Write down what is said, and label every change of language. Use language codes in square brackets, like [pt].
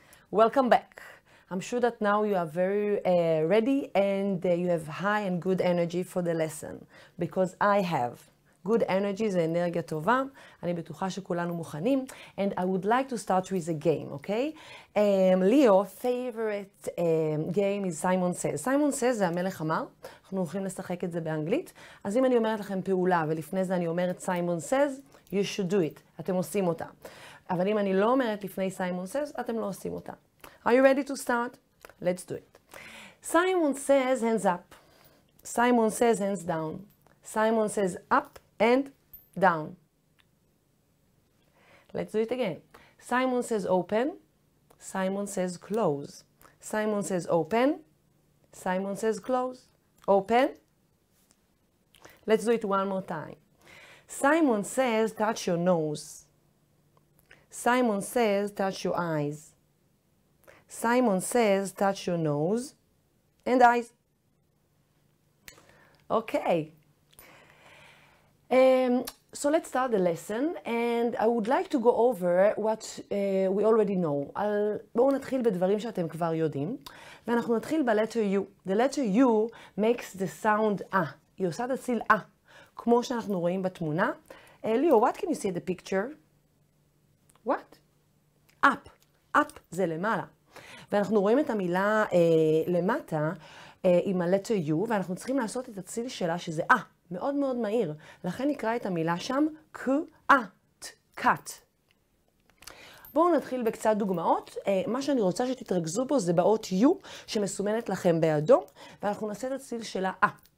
[en] Welcome back. I'm sure that now you are very ready and you have high and good energy for the lesson. Because I have good energy, [he] זה אנרגיה טובה. אני בטוחה שכולנו מוכנים. [en] And I would like to start with a game, okay? Leo, favorite game is Simon Says. [he] Simon Says זה המלך אמר. אנחנו הולכים לשחק את זה באנגלית. אז אם אני אומרת לכם פעולה ולפני זה אני אומרת Simon Says, [en] you should do it. [he] אתם עושים אותה. אבל אם אני לא אומרת לפני Simon Says, אתם לא עושים אותה. [en] Are you ready to start? Let's do it. Simon says, hands up. Simon says, hands down. Simon says, up and down. Let's do it again. Simon says open. Simon says close. Simon says open. Simon says close. Open. Let's do it one more time. Simon says touch your nose. Simon says touch your eyes. Simon says touch your nose and eyes. Okay. So let's start the lesson, and I would like to go over what we already know. [he] בואו נתחיל בדברים שאתם כבר יודעים, ואנחנו נתחיל ב-letter U. [en] The letter U makes the sound A. [he] היא עושה את הציל A, כמו שאנחנו רואים בתמונה. [en] ליאו, what can you see in the picture? What? Up. Up [he] זה למעלה. ואנחנו רואים את המילה למטה עם ה-letter U, ואנחנו צריכים לעשות את הציל שלה שזה A. מאוד מאוד מהיר. לכן נקרא את המילה שם קאט, קאט. בואו נתחיל בקצת דוגמאות. מה שאני רוצה שתתרכזו בו זה באות U שמסומנת לכם באדום, ואנחנו נעשה את הציל של ה-A.